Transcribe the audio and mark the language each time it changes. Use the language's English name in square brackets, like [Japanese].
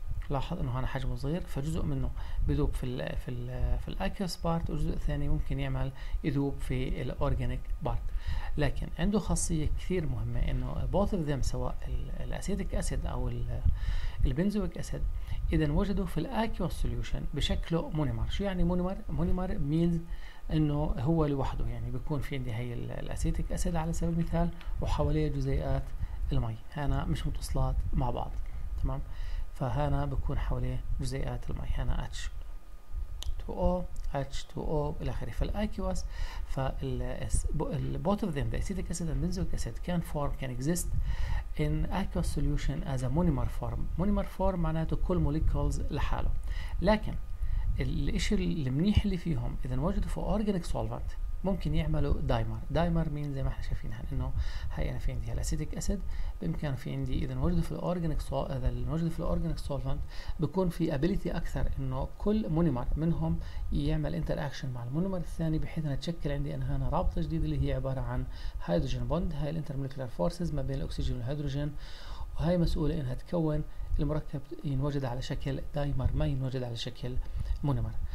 [Arabic] لاحظ انه هنا حجمه صغير فجزء منه بذوب في الـ في الـ في الاكيوس بارت، وجزء ثاني ممكن يعمل يذوب في الاورجانيك بارت، لكن عنده خاصيه كثير مهمه انه بوث اوف ذيم سواء الاسيتيك اسيد او البنزويك اسيد اذا وجدوا في الاكيوس سوليوشن بشكله مونيمر. شو يعني مونيمر؟ مونيمر مينز انه هو لوحده، يعني بيكون في عندي هي الاسيتيك اسيد على سبيل المثال وحواليه جزيئات المي، هنا مش متصلات مع بعض. تمام، فهنا بكون حواليه جزيئات المي، هنا H2O H2O الى اخره في الاكيوس، فال [English] both of them the acetic acid and benzoic acid can form can exist in aqueous solution as a monomer form. [Arabic] monomer form معناته كل مولكيولز لحاله، لكن الشيء المنيح اللي فيهم اذا وجدوا في organic solvent ممكن يعملوا دايمر. دايمر مين؟ زي ما احنا شايفين هنا انه هي انا في عندي الاسيتيك اسيد، بامكان في عندي اذا وجدوا في الاورجانيك سولفنت بيكون في ابيليتي اكثر انه كل مونيمر منهم يعمل انتر اكشن مع المونيمر الثاني بحيث انها تشكل عندي انا هنا رابطه جديده اللي هي عباره عن هيدروجين بوند، هاي الانتر مولكيولار فورسز ما بين الاكسجين والهيدروجين، وهي مسؤوله انها تكون المركب ينوجد على شكل دايمر ما ينوجد على شكل مونومر.